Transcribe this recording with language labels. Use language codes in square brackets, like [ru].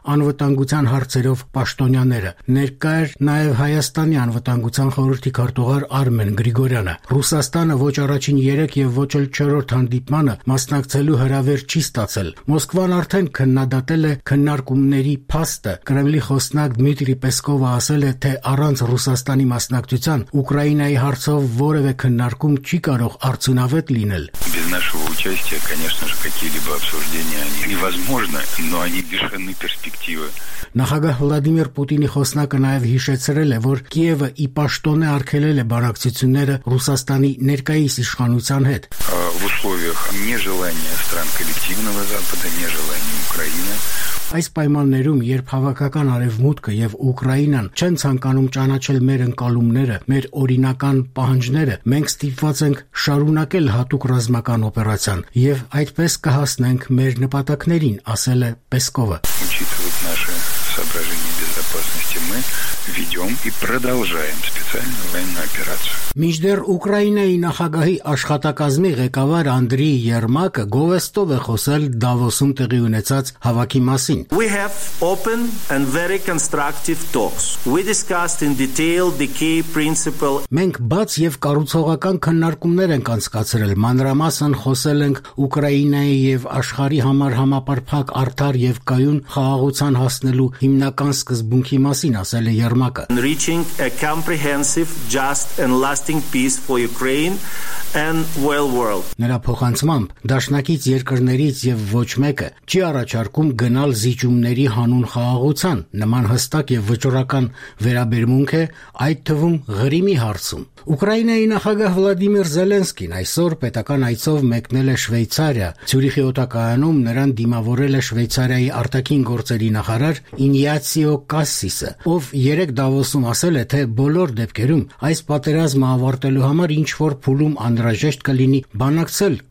[hy] անվտանգության հարցերով պաշտոնյաները։ Ներկա էր նաև Հայաստանի անվտանգության խորհրդի քարտուղար Արմեն Գրիգորյանը։ Ռուսաստանը ոչ առաջին 3 և ոչ էլ 4-րդ հանդիպմանը մասնակցելու հրավեր չի ստացել։ Մոսկվան արդեն քննադատել է քննարկումների փաստը։ Կրեմլի խոսնակ Դմիտրի Պեսկովը ասել է, թե առանց Ռուսաստանի մասնակցության Ուկրաինայի հարցով որևէ քննարկում չի կարող արդյունավետ լինել։ [ru] Без нашего участия, конечно же, какие-либо обсуждения они невозможны, но они лишены перспективы. [hy] Նախագահ Վլադիմիր Պուտինի խոսնակը նաև հիշեցրել է, որ Կիևը ի պաշտոն է արգելել է բարակցությունները Ռուսաստանի ներկայիս իշխանության հետ։ [ru] В условиях нежелания стран коллективного Запада, нежелания Украины. [hy] Այս պայմաններում, երբ հավաքական արևմուտքը և Ուկրաինան չեն ցանկանում ճանաչել մեր ընկալումները, մեր օրինական պահանջները, մենք ստիպված ենք շարունակել հատուկ ռազմական օպերացիան և այդպես կհասնենք մեր նպատակներին, ասել է Պեսկովը։ [ru] Ուչիտվութ նաշը սաբրաժենի բեզապասնիստի մեն ведем и продолжаем специальную военную операцию. [hy] Մինչդեռ Ուկրաինայի նախագահի աշխատակազմի ղեկավար Անդրեյ Յերմակը գովեստով է խոսել Դավոսում տեղի ունեցած հավաքի մասին. [en] We have open and very constructive talks. We discussed in detail the key principle. [hy] Մենք բաց եւ կարուցողական քննարկումներ ենք անցկացրել, մանրամասն խոսել ենք Ուկրաինայի եւ աշխարի համար համապարփակ արդար եւ կայուն խաղաղության հասնելու հիմնական սկզբունքի մասին, ասել է Յերմակը. [en] Reaching a comprehensive, just and lasting peace for Ukraine and well world. [hy] Նրա փոխանցմամբ դաշնակից երկրներից եւ ոչ մեկը չի առաջարկում գնալ զիջումների հանուն խաղաղության, նման հստակ եւ վճռական վերաբերմունք է այդ թվում Ղրիմի հարցում։ Ուկրաինայի նախագահ Վլադիմիր Զելենսկին այսօր պետական այցով մեկնել է Շվեյցարիա։ Ցյուրիխի օտակայանում նրան դիմավորել է Շվեյցարիայի արտաքին գործերի նախարար Ինյացիո Կասիսը, ով 3 Դավոսում ասել է, թե բոլոր դեպքերում այս պատերազմը ավարտելու համար ինչ-որ փուլում անհրաժեշտ կլինի բանակցել